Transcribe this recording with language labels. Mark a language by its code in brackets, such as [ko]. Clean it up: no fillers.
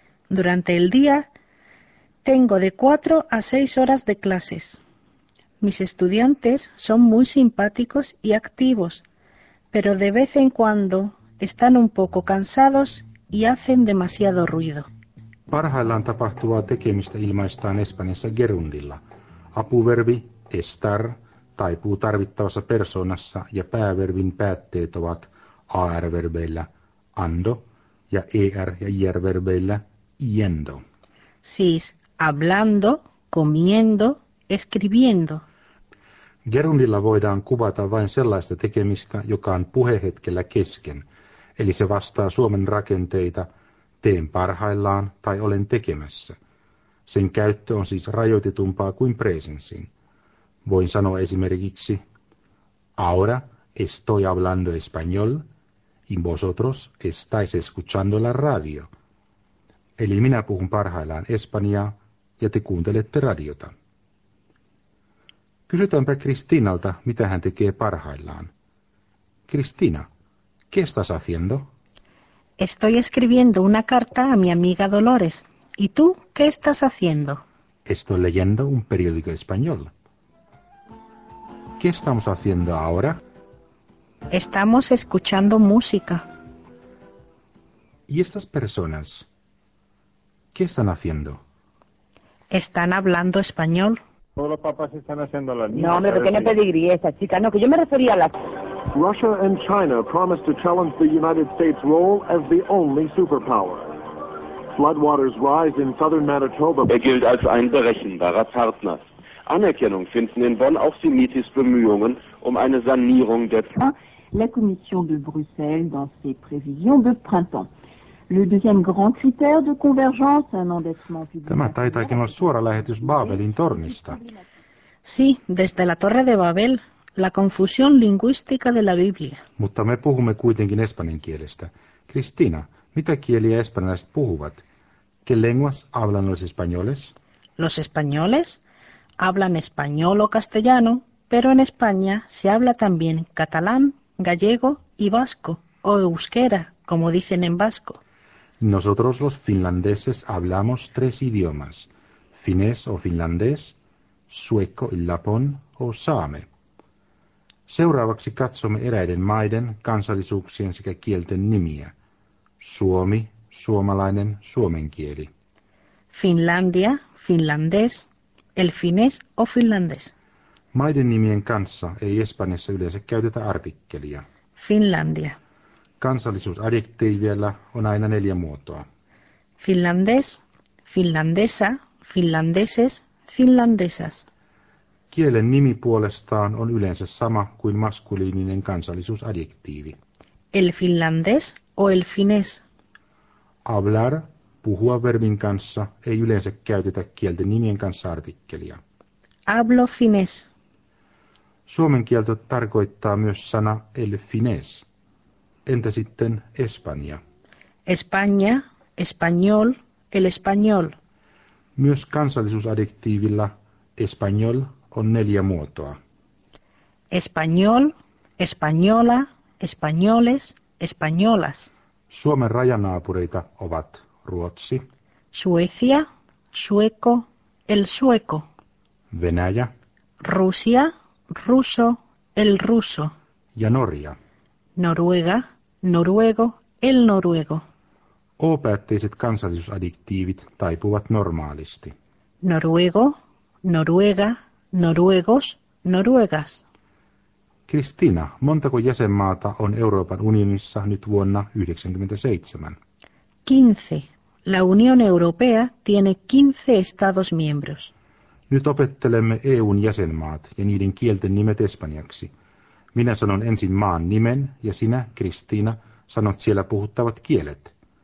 [es] Durante el día tengo de 4 a 6 horas de clases. Mis estudiantes son muy simpáticos y activos, pero de vez en cuando están un poco cansados y hacen demasiado ruido. [fi] Parhaillaan tapahtuvaa tekemistä ilmaistaan Espanjassa gerundilla. Apuverbi estar taipuu tarvittavassa persoonassa ja päävervin päätteet ovat AR-verbeillä ando ja ER- ja IR-verbeillä yendo. [es] Siis hablando, comiendo, escribiendo. [fi] Gerundilla voidaan kuvata vain sellaista tekemistä, joka on puhehetkellä kesken, eli se vastaa suomen rakenteita teen parhaillaan tai olen tekemässä. Sen käyttö on siis rajoitetumpaa kuin presensin. Voin sanoa esimerkiksi, [es] ahora estoy hablando español y vosotros estáis escuchando la radio. [fi] Eli minä puhun parhaillaan espanjaa ja te kuuntelette radiota. Kysytäänpä Kristiinalta, mitä hän tekee parhaillaan. [es] Kristiina, ¿qué estás haciendo? Estoy escribiendo una carta a mi amiga Dolores. ¿Y tú qué estás haciendo? Estoy leyendo un periódico español. ¿Qué estamos haciendo ahora? Estamos escuchando música. ¿Y estas personas? ¿Qué están haciendo? Están hablando español. Todos los papás están haciendo la niña. No, pero que no pedigrí esa chica. No, que yo me refería a la... [en] Russia and China promise to challenge the United States' role as the only superpower. Floodwaters rise in southern Manitoba. [de] Er gilt als ein berechenbarer Partner. Anerkennung finden in Bonn auch Simitis Bemühungen um eine Sanierung der... [fr] La Commission de Bruxelles dans ses prévisions de printemps. Le deuxième grand critère de convergence, un endettement public... [fi] Tämä taitaakin olla suora lähetys Babelin tornista. [es] Sí, desde la Torre de Babel... La confusión lingüística de la Biblia. [fi] Mutta me puhumme kuitenkin espanjan kielestä. Kristiina, mitä kieliä espanjalaiset puhuvat? [es] ¿Qué lenguas hablan los españoles? Los españoles hablan español o castellano, pero en España se habla también catalán, gallego y vasco, o euskera, como dicen en vasco. Nosotros los finlandeses hablamos tres idiomas, finés o finlandés, sueco y lapón o saame. [fi] Seuraavaksi katsomme eräiden maiden, kansallisuuksien sekä kielten nimiä. Suomi, suomalainen, suomen kieli. [es] Finlandia, finlandés, el finés o finlandés. [fi] Maiden nimien kanssa ei Espanjassa yleensä käytetä artikkelia. [es] Finlandia. [fi] Kansallisuusadjektiivillä on aina neljä muotoa. [es] Finlandés, finlandesa, finlandeses, finlandesas. [fi] Kielen nimi puolestaan on yleensä sama kuin maskuliininen kansallisuusadjektiivi. [es] El finlandés o el finés. [fi] Hablar, puhua verbin kanssa, ei yleensä käytetä kielten nimien kanssa artikkelia. [es] Hablo finés. [fi] Suomen kieltä tarkoittaa myös sana el finés. Entä sitten espanja? [es] España, español, el español. [fi] Myös kansallisuusadjektiivilla español on neljä muotoa. [es] Español, española, españoles, españolas. [fi] Suomen rajanaapureita ovat Ruotsi. [es] Suecia, sueco, el sueco. [fi] Venäjä. [es] Rusia, ruso, el ruso. [fi] Ja Norja. [es] Noruega, noruego, el noruego. [fi] O-päätteiset kansallisuusadjektiivit taipuvat normaalisti. [es] Noruego, noruega. Noruegos, noruegas. [fi] Kristiina, montako jäsenmaata on Euroopan unionissa nyt vuonna 1997? 15. [es] La Unión Europea tiene 15 estados miembros. [fi] Nyt opettelemme EU:n jäsenmaat ja niiden kielten nimet espanjaksi. Minä sanon ensin maan nimen ja sinä, Kristiina, sanot siellä puhuttavat kielet.